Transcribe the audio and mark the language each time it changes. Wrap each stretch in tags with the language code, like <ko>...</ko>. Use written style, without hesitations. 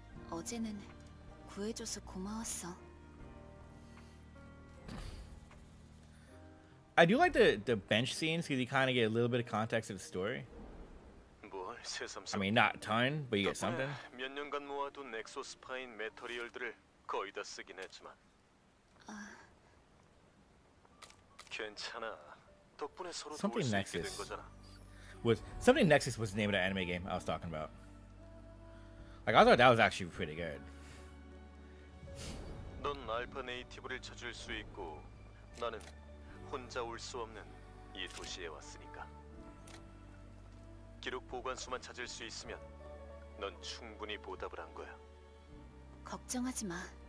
<ko>어제는 구해줘서 고마웠어.</ko> <en>I do like the bench scenes because you kind of get a little bit of context of the story.</en> <ko>뭘, 새삼스러워.</ko> <en>I mean, not ton, but you get something.</en> <ko>몇 년간 모아둔 엑소스파인 메터리얼들을 거의 다 쓰긴 했지만. 아. 괜찮아. 덕분에 서로 도울 수 있게 된 거잖아.</ko> <en>was something Nexus was the name of the anime game I was talking about. Like, I thought that was actually pretty good.</en> <ko>넌 알파 네이티브를 찾을 수 있고 나는 혼자 올 수 없는 이 도시에 왔으니까 기록 보관소만 찾을 수 있으면 넌 충분히 보답을 한 거야. 걱정하지 마.</ko>